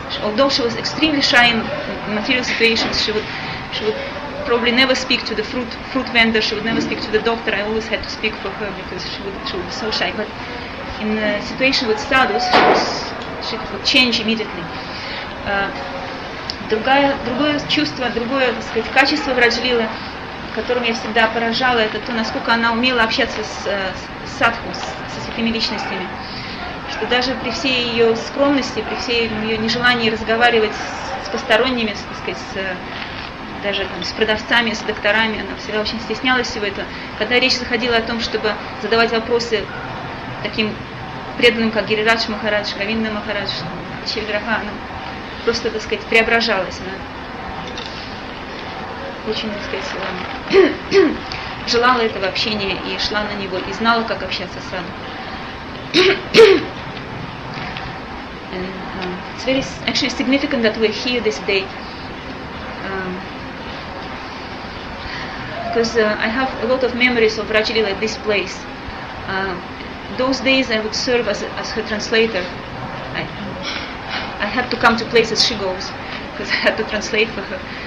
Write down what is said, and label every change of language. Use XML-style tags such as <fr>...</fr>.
<en>Although she was extremely shy in material situations, she would probably never speak to the fruit vendor. She would never speak to the doctor. I always had to speak for her because she would be so shy. But in a situation with sadhus, she would change immediately.</en> <ru>Другое чувство, другое, так сказать, качество Враджи Лилы, которым я всегда поражала, это то, насколько она умела общаться с садху, со святыми личностями. Что даже при всей ее скромности, при всей ее нежелании разговаривать с посторонними, так сказать, с, даже там, с продавцами, с докторами, она всегда очень стеснялась всего этого. Когда речь заходила о том, чтобы задавать вопросы таким преданным, как Гирирадж Махарадж, Гавинда Махарадж, Чильграха, она просто, так сказать, преображалась. Она очень, так сказать, желала этого общения и шла на него, и знала, как общаться с саду.</ru> <en>It's very actually significant that we're here this day, because I have a lot of memories of Rajalila at this place. Those days I would serve as her translator. I had to come to places she goes, because I had to translate for her.</en>